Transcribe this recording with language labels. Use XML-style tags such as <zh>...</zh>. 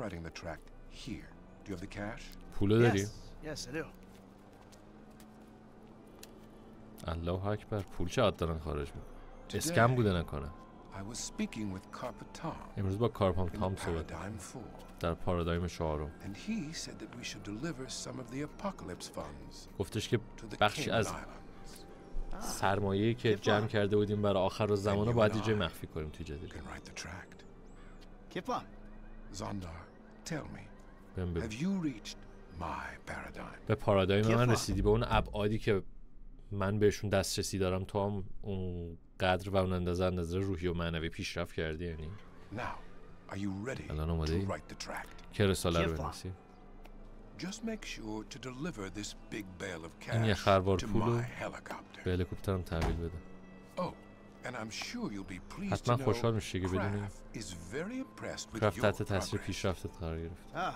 <en>I'm writing the tract here. Do you have the cash?</en> <fa>پولو داری؟</fa> <en>yes, I do.</en> <fa>الله اکبر، پول چه دارن خارج می کنن؟ اسکم بوده نکنه.</fa> <en>I was speaking with Carpatom.</en> <fa>امروز با کارپام تام صحبت کردم. در پارادایم چهارم.</fa> <en>And he said that we should deliver some of the apocalypse funds.</en> <fa>گفتش که بخشی از سرمایه‌ای که جمع کرده بودیم برای آخر زمانو باید یه جای مخفی کنیم توی جدید. Kiflam.</fa> <en>Zandar, tell me. Have you reached my paradigm?</en> <fa>به پارادایم من رسیدی؟ به اون ابعادی که من بهشون دسترسی دارم؟ تو هم اون قدر و اون اندازه روحی و معنوی پیشرفت کردی؟ یعنی</fa> <en>now are you ready</en> <fa>الان اومدی که رساله رو بنویسی؟</fa> <en>just make sure to deliver this big bale of cash.</en> <fa>این یه خروار پولو به هلیکوپترم تحویل بده.</fa> <en>oh and I'm sure you'll be pleased.</en> <fa>حتما خوشحال میشی که بدونی کرافت تحت تاثیر پیشرفتت قرار گرفت.</fa>